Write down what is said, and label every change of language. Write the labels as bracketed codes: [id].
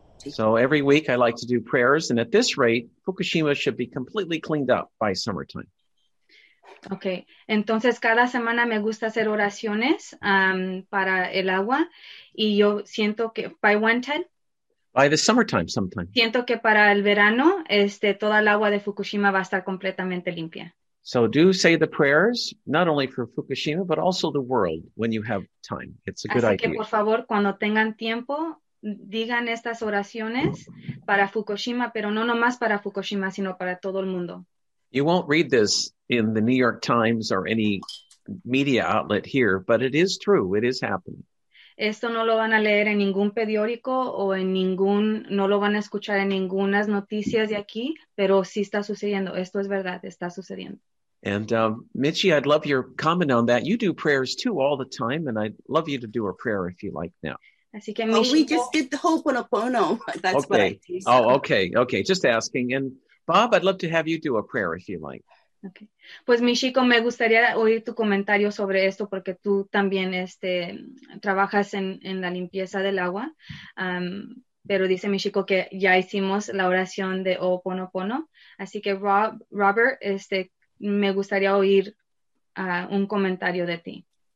[en] So every week I like to do prayers, and at this rate, Fukushima should be completely cleaned up by summertime. [es] Okay, entonces cada semana me gusta hacer oraciones para el agua, y yo siento que, [en] by when, Ted? By the summertime, sometime. [es] Siento que para el verano, toda el agua de Fukushima va a estar completamente limpia. [en] So do say the prayers, not only for Fukushima, but also the world, when you have time. It's a good idea. [es] Así que, por favor, cuando tengan tiempo, digan estas oraciones para Fukushima, pero no nomás para Fukushima, sino para todo el mundo. [en] You won't read this in the New York Times or any media outlet here, but it is true. It is happening. [es] Esto no lo van a leer en ningún periódico o en ningún, no lo van a escuchar en ninguna noticias de aquí, pero sí está sucediendo. Esto es verdad, está sucediendo. [en] And Michi, I'd love your comment on that. You do prayers too all the time, and I'd love you to do a prayer if you like now. [es] Así que, Michi, [en] we just did the Ho'oponopono. That's okay. What I do. So. Oh, okay. Just asking. And Bob, I'd love to have you do a prayer if you like. Okay. [es] Pues, Michiko, me gustaría oír tu comentario sobre esto porque tú también trabajas en la limpieza del agua. Pero dice Michiko que ya hicimos la oración de Ho'oponopono. Así que, Robert, me gustaría oír un comentario de ti.